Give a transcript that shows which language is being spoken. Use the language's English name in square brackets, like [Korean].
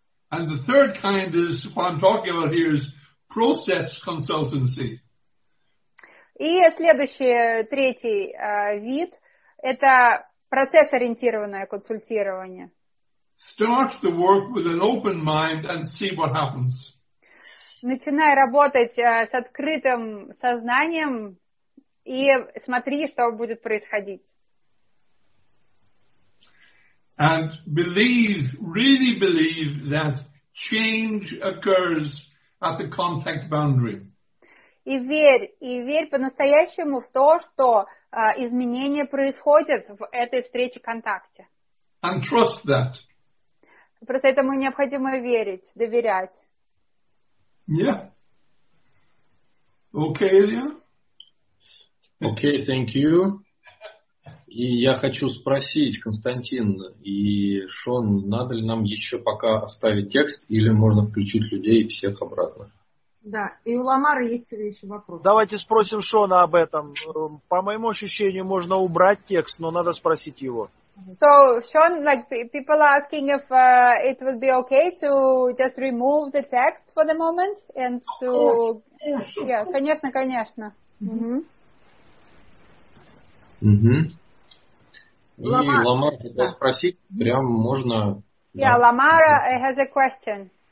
[English] And the third kind is what I'm talking about here is process consultancy. [Russian] И следующий, третий вид – это процесс-ориентированное консультирование. [English] Start the work with an open mind and see what happens. [Russian] Начинай работать с открытым сознанием и смотри, что будет происходить. [English] And believe, really believe that change occurs at the contact boundary. [Russian] И верь по-настоящему в то, что изменения происходят в этой встрече контакте. [English] And trust that. [Russian] Просто этому необходимо верить, доверять. [English] Yeah. Okay, Илья? Okay, thank you. [Russian] И я хочу спросить, Константин и Шон, надо ли нам еще пока оставить текст, или можно включить людей и всех обратно? Да, и у Ламары есть еще вопрос. Давайте спросим Шона об этом. По моему ощущению, можно убрать текст, но надо спросить его. [English] So, Sean, like people are asking if it would be okay to just remove the text for the moment and to... Of course. [Russian] Yeah, конечно, конечно. Mm-hmm. Mm-hmm. Ламара хотел спросить, прям можно... [English] Yeah, Ламара has a question.